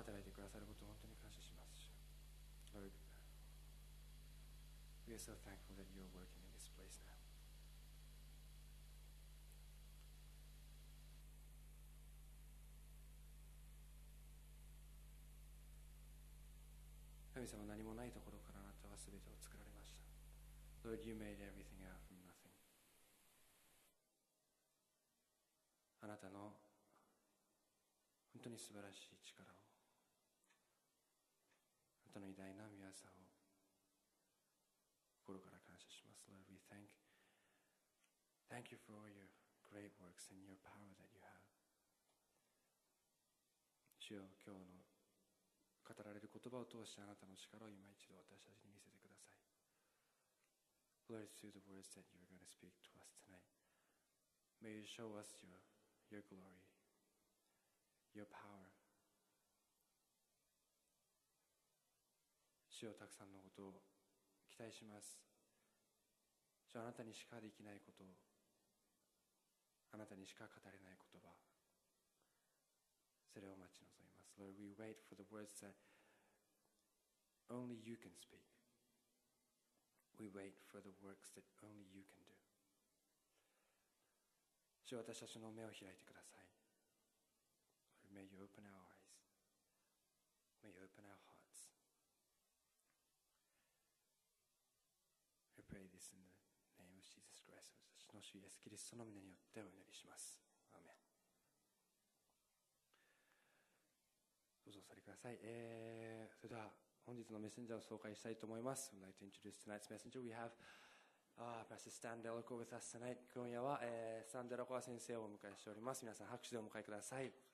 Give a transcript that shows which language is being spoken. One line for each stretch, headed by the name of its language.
Japanese: 働いてくださることを本当に感謝します。
English: Lord, we are so thankful that you are working in this place now.
Japanese: 神様、何もないところからあなたは全てを作られました。
English: Lord, you made everything out from nothing.
Japanese: あなたの本当に素晴らしい力を、本当に偉大な御業を心から感謝します。
English: Lord, we thank you for all your great works and your power that you have.
Japanese: 主よ、今日の語られる言葉を通してあなたの力を今一度私たちに見せてください。
English: Lord, through the words that you are going to speak to us tonight, may you show us your glory, your power.
Japanese: 主よ、たくさんのことを期待します。主よ、あなたにしかできないことを、あなたにしか語れない言葉、それを待ち望みます。
English: Lord, we wait for the words that only you can speak. We wait for the works that only you can do.
Japanese: 主よ、私たちの目を開いてください。
English: Lord, may you open our eyes. May you open our hearts. Pray this in the name of Jesus Christ.
Japanese: 私の主イエスキリストの名によってお祈りします。アーメン。どうぞお座りください。それでは本日のメッセンジャーを紹介したいと思います。
English: I'd like to introduce tonight's messenger. We have Pastor Stan Delacour with us tonight.
Japanese: 今夜は、スタン・デラコア先生をお迎えしております。皆さん拍手でお迎えください。